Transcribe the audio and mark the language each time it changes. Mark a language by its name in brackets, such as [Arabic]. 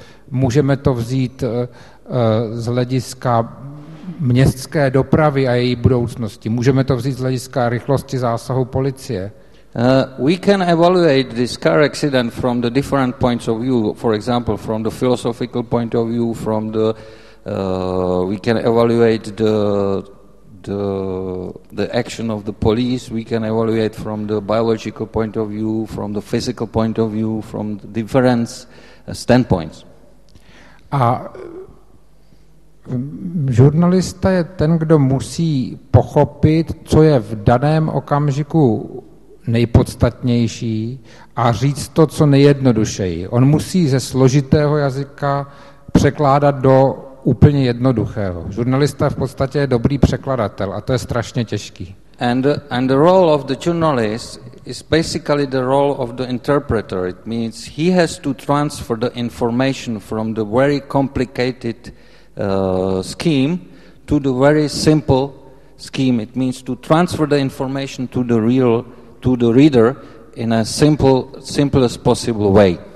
[Czech] Můžeme to vzít z hlediska městské dopravy a její budoucnosti. Můžeme to vzít z hlediska rychlosti zásahu policie. [English] We can evaluate this car accident from the different points of view, for example, from the philosophical point of view, from the we can evaluate the action of the police, we can evaluate from the biological point of view, from the physical point of view, from the different standpoints. [Czech] A žurnalista je ten, kdo musí pochopit, co je v daném okamžiku nejpodstatnější a říct to, co nejjednodušeji. On musí ze složitého jazyka překládat do úplně jednoduchého. Žurnalista v podstatě je dobrý překladatel a to je strašně těžký. [English] And the role of the journalist is basically the role of the interpreter. It means he has to transfer the information from the very complicated scheme to the very simple scheme. It means to transfer the information to the reader in a simplest possible way.